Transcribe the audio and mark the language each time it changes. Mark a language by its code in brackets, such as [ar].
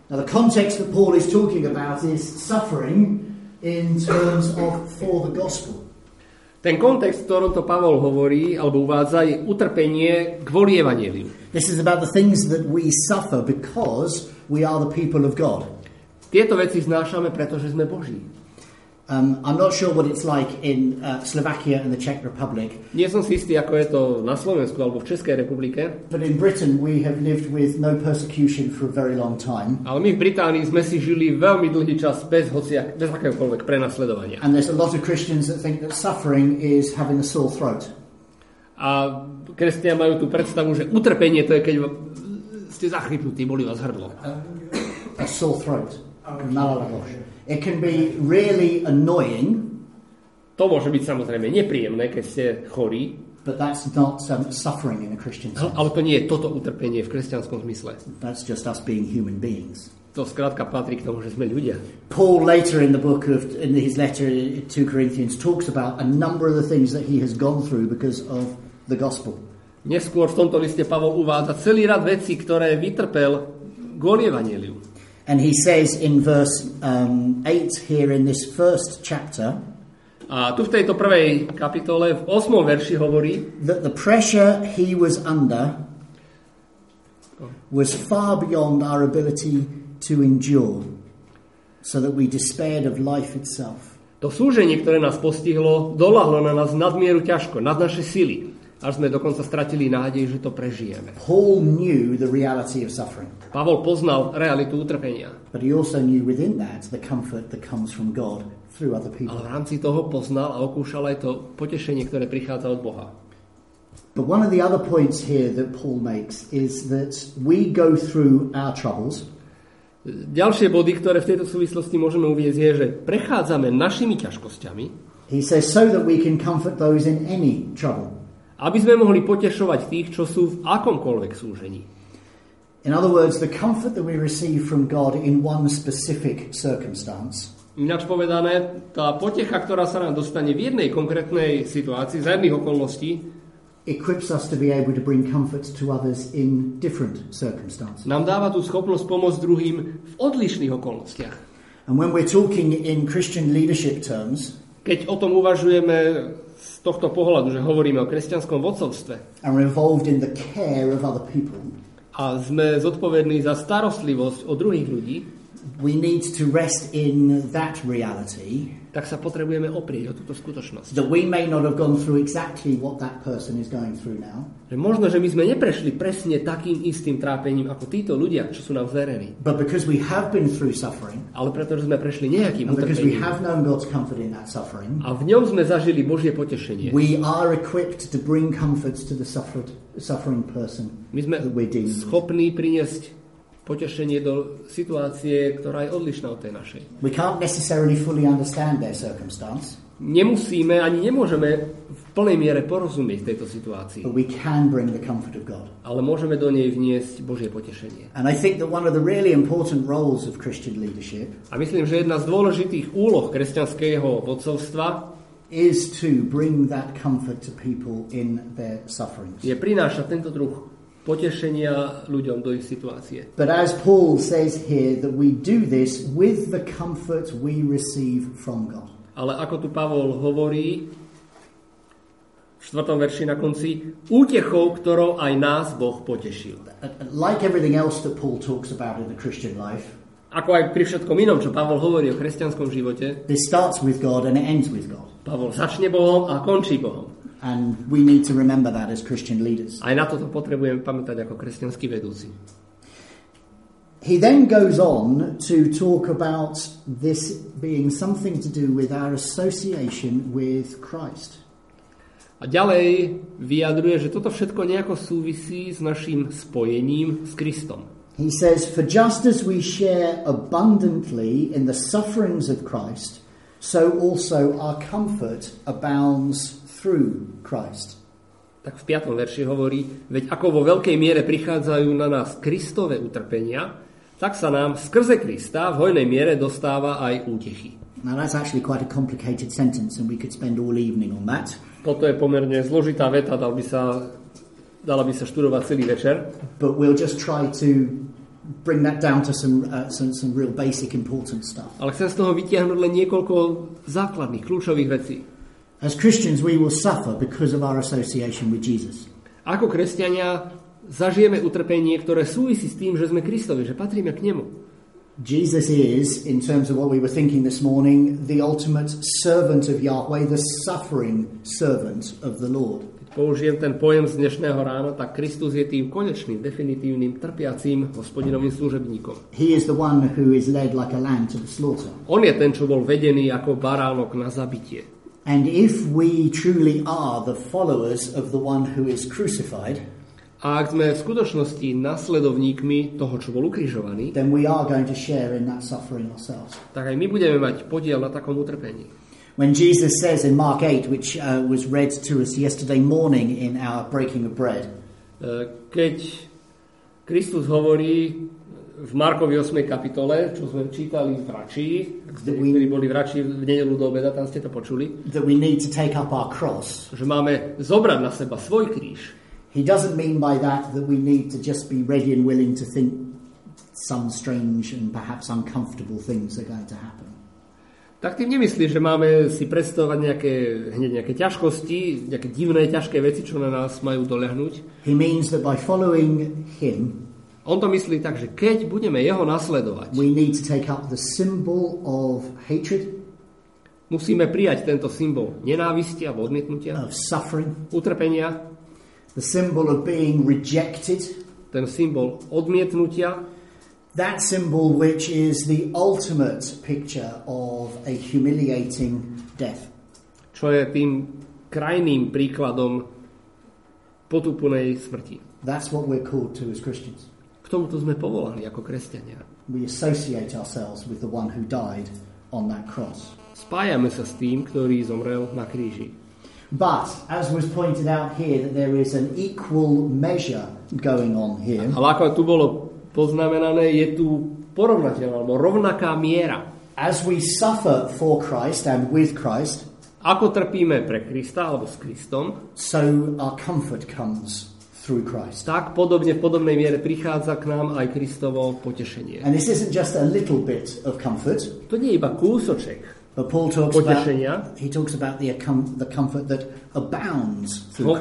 [en] Now, the context that Paul is talking about is suffering in terms of for the gospel. [sk] Ten kontext, ktorom to Pavol hovorí alebo uvádza, je utrpenie kvôli evanjeliu. [en] This is about the things that we suffer because we are the people of God. [sk] Tieto veci znášame, pretože sme Boží. [en] I'm not sure what it's like in Slovakia and the Czech Republic. [sk] Nie som si istý, ako je to na Slovensku alebo v Českej republike. [en] But in Britain we have lived with no persecution for a very long time. [sk] Ale my v Británii sme si žili veľmi dlhý čas bez akéhokoľvek prenasledovania. [en] And there's a lot of Christians that think that suffering is having a sore throat. [sk] A kresťania majú tú predstavu, že utrpenie to je keď ste zachrypnutí, boli vás hrdlo. [en] A sore throat. It can be really annoying. [sk] To môže byť samozrejme nepríjemné, keď ste chorí. [en] But that's not suffering in a Christian sense. [sk] Ale to nie je toto utrpenie v kresťanskom zmysle. [en] That's just us being human beings. [sk] To skrátka patrí k tomu, že sme ľudia. [en] Paul later in the book of in his letter to Corinthians talks about a number of the things that he has gone through because of the gospel. [sk] Neskôr v tomto liste Pavol uvádza celý rad vecí, ktoré vytrpel kvôli evanjeliu. [en] And he says in verse 8 here in this first chapter. [sk] A tu v tejto prvej kapitole v 8. verši hovorí [en] that the pressure he was under was far beyond our ability to endure so that we despaired of life itself. [sk] To súženie, ktoré nás postihlo, doľahlo na nás nadmieru ťažko, nad naše sily, až sme dokonca stratili nádej, že to prežijeme. [en] Paul knew the reality of suffering. [sk] Pavol poznal realitu utrpenia. [en] But he also knew within that the comfort that comes from God through other people. [sk] Ale v rámci toho poznal a okúšal aj to potešenie, ktoré prichádza od Boha. [en] But one of the other points here that Paul makes is that we go through our troubles. [sk] Ďalšie body, ktoré v tejto súvislosti môžeme uvieť, je, že prechádzame našimi ťažkosťami. [en] He says so that we can comfort those in any trouble. [sk] Aby sme mohli potešovať tých, čo sú v akomkoľvek súžení. [en] In other words, the comfort that we receive from God in one specific circumstance. [sk] Ináč povedané, tá potecha, ktorá sa nám dostane v jednej konkrétnej situácii, za jedných okolností, [en] equips us to be able to bring comfort to others in different circumstances. [sk] Nám dáva tú schopnosť pomôcť druhým v odlišných okolnostiach. [en] And when we're talking in Christian leadership terms, [sk] keď o tom uvažujeme z tohto pohľadu, že hovoríme o kresťanskom vodcovstve [en] and we're involved in the care of other people, [sk] a sme zodpovední za starostlivosť o druhých ľudí, [en] we need to rest in that reality, [sk] tak sa potrebujeme oprieť o túto skutočnosť. [en] That we may not have gone through exactly what that person is going through now. [sk] Že možno, že my sme neprešli presne takým istým trápením ako títo ľudia, čo sú nám zverení. [en] But because we have been through suffering, [sk] ale pretože sme prešli nejakým utrpením, [en] because we have known God's comfort in that suffering, [sk] a v ňom sme zažili Božie potešenie, [en] we are equipped to bring comfort to the suffering person. [sk] My sme schopní priniesť potešenie do situácie, ktorá je odlišná od tej našej. [en] We can't necessarily fully understand their circumstance. [sk] Nemusíme ani nemôžeme v plnej miere porozumieť tejto situácii. [en] But we can bring the comfort of God. [sk] Ale môžeme do nej vniesť Božie potešenie. [en] And I think that one of the really important roles of Christian leadership. [sk] A myslím, že jedna z dôležitých úloh kresťanského vodcovstva [en] is to bring that comfort to people in their sufferings. [sk] Je prinášať tento druh potešenia ľuďom do ich situácie. [en] But as Paul says here that we do this with the comfort we receive from God. [sk] Ale ako tu Pavol hovorí v 4. verši na konci, útechou, ktorou aj nás Boh potešil. [en] Like everything else that Paul talks about in the Christian life. [sk] Ako aj pri všetkom inom, čo Pavol hovorí o kresťanskom živote. [en] This starts with God and it ends with God. [sk] Pavol začne Bohom a končí Bohom. [en] And we need to remember that as Christian leaders. [sk] Aj na toto potrebujeme pamätať ako kresťanskí vedúci. [en] He then goes on to talk about this being something to do with our association with Christ. [sk] A ďalej vyjadruje, že toto všetko nejako súvisí s našim spojením s Kristom. [en] He says, for just as we share abundantly in the sufferings of Christ, so also our comfort abounds through Christ. [sk] Tak v 5. verši hovorí, veď ako vo veľkej miere prichádzajú na nás Kristove utrpenia, tak sa nám skrze Krista v hojnej miere dostáva aj útechy. [en] Now that's actually quite a complicated sentence and we could spend all evening on that. [sk] Toto je pomerne zložitá veta, dala by sa študovať celý večer. [en] But we'll just try to bring that down to some real basic important stuff. [sk] Ale chcem z toho vytiahnuť len niekoľko základných kľúčových vecí. [en] As Christians, we will suffer because of our association with Jesus. [sk] Ako kresťania zažijeme utrpenie, ktoré súvisí s tým, že sme Kristovi, že patríme k nemu. [en] Jesus is, in terms of what we were thinking this morning, the ultimate servant of Yahweh, the suffering servant of the Lord. [sk] Keď použijem ten pojem z dnešného rána, tak Kristus je tým konečným, definitívnym, trpiacím hospodinovým služebníkom. [en] He is the one who is led like a lamb to the slaughter. [sk] On je ten, čo bol vedený ako baránok na zabitie. [en] And if we truly are the followers of the one who is crucified, [sk] a ak sme v skutočnosti nasledovníkmi toho, čo bol ukrižovaný, [en] then we are going to share in that suffering ourselves. [sk] Tak aj my budeme mať podiel na takom utrpení. [en] When Jesus says in Mark 8, which was read to us yesterday morning in our breaking of bread, [sk] keď Kristus hovorí v Markovi 8. kapitole, čo sme čítali v Rači, ktorí boli v Rači v nedeľu do obeda, tam ste to počuli, [en] that we need to take up our cross, [sk] že máme zobrať na seba svoj kríž. [en] He doesn't mean by that we need to just be ready and willing to think some strange and perhaps uncomfortable things are going to happen. [sk] Tak tým nemyslí, že máme si predstavovať nejaké hneď nejaké ťažkosti, nejaké divné ťažké veci, čo na nás majú doľahnúť. [en] He means that by following him, [sk] on to myslí tak, že keď budeme jeho nasledovať, [en] we need to take up the symbol of hatred, [sk] musíme prijať tento symbol nenávisti a odmietnutia, [en] of suffering, [sk] utrpenia, [en] the symbol of being rejected, [sk] ten symbol odmietnutia, [en] that symbol which is the ultimate picture of a humiliating death, [sk] čo je tým krajným príkladom potupnej smrti. [en] That's what we're called to as Christians. [sk] K tomuto sme povolaní ako kresťania. [en] We associate ourselves with the one who died on that cross. [sk] Spájame sa s tým, ktorý zomrel na kríži. [en] But as was pointed out here, that there is an equal measure going on here. [sk] Ale ako tu bolo poznamenané, je tu porovnateľná alebo rovnaká miera. [en] As we suffer for Christ and with Christ, [sk] ako trpíme pre Krista alebo s Kristom, [en] so our comfort comes. [sk] Tak podobne v podobnej miere prichádza k nám aj Kristovo potešenie. [en] And this isn't just a little bit of comfort. [sk] To nie je iba kúsoček. [en] But Paul talks [sk] potešenia. [en] About, he talks about the comfort that abounds through